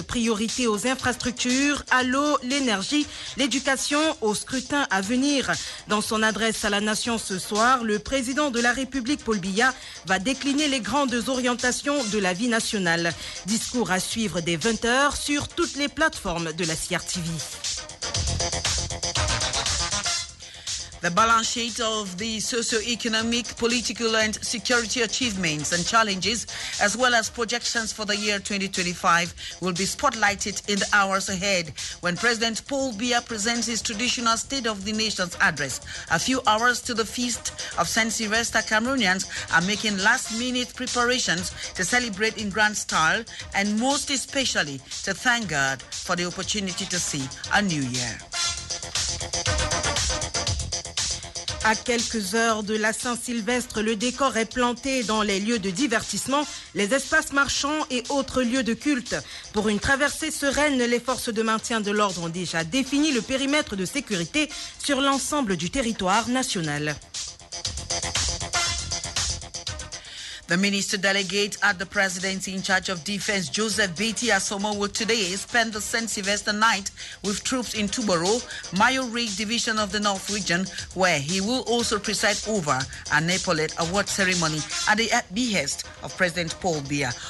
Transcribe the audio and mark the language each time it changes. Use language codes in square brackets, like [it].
[fr] Priorité aux infrastructures, à l'eau, l'énergie, l'éducation, au scrutin à venir. Dans son adresse à la Nation ce soir, le président de la République, Paul Biya, va décliner les grandes orientations de la vie nationale. Discours à suivre dès 20h sur toutes les plateformes de la CRTV. [en] The balance sheet of the socio-economic, political and security achievements and challenges, as well as projections for the year 2025, will be spotlighted in the hours ahead when President Paul Biya presents his traditional State of the Nation's address. A few hours to the feast of Saint Sylvester, Cameroonians are making last-minute preparations to celebrate in grand style and most especially to thank God for the opportunity to see a new year. [fr] À quelques heures de la Saint-Sylvestre, le décor est planté dans les lieux de divertissement, les espaces marchands et autres lieux de culte. Pour une traversée sereine, les forces de maintien de l'ordre ont déjà défini le périmètre de sécurité sur l'ensemble du territoire national. [en] The minister delegate at the presidency in charge of defense, Joseph Beti Asomo, will today spend the St. Sylvester night with troops in Tubaro, Mayo Ridge Division of the North Region, where he will also preside over an epaulette award ceremony at the behest of President Paul Biya.